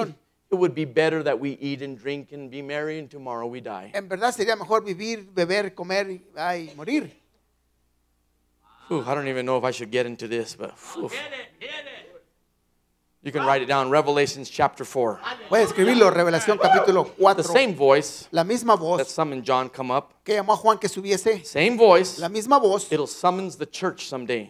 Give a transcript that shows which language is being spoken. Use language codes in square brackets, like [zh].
[en] Indeed, it would be better that we eat and drink and be merry, and tomorrow we die. [es] En verdad sería mejor vivir, beber, comer y morir. [en] Ooh, I don't even know if I should get into this, but oof. You can write it down. Revelations chapter 4. [es] Puedes escribirlo. Revelación capítulo 4. [en] The same voice. [es] La misma voz. [en] That summoned John, come up. [es] Que llamó a Juan que subiese. [en] Same voice. [es] La misma voz. [en] It'll summons the church someday.